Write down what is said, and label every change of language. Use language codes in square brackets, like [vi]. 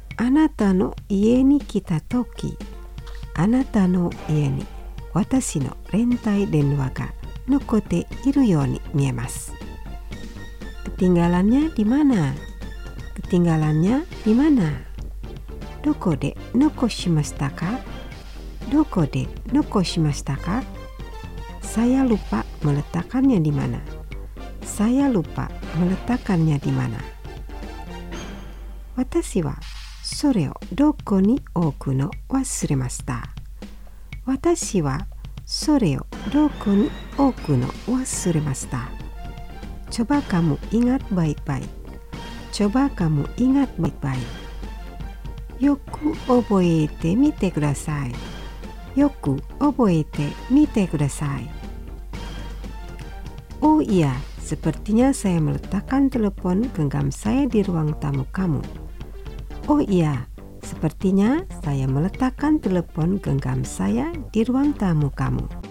[ja] あなたの家に来たとき、あなたの家に私の連帯電話が残っているように見えます。 [id] ketinggalannya di mana? ketinggalannya di mana? [ja] どこで残しましたか？どこで残しましたか？ [id] Saya lupa meletakkannya di mana. Saya lupa meletakkannya di mana. [ja] 私はそれをどこに置くの忘れました。私はそれをどこに置くの忘れました。 [id] Coba kamu ingat baik-baik. Coba kamu ingat baik-baik. [ja] よく覚えてみてください。よく覚えてみてください。 [id] Oh iya, sepertinya saya meletakkan telepon genggam saya di ruang tamu kamu. Oh iya, sepertinya saya meletakkan telepon genggam saya di ruang tamu kamu.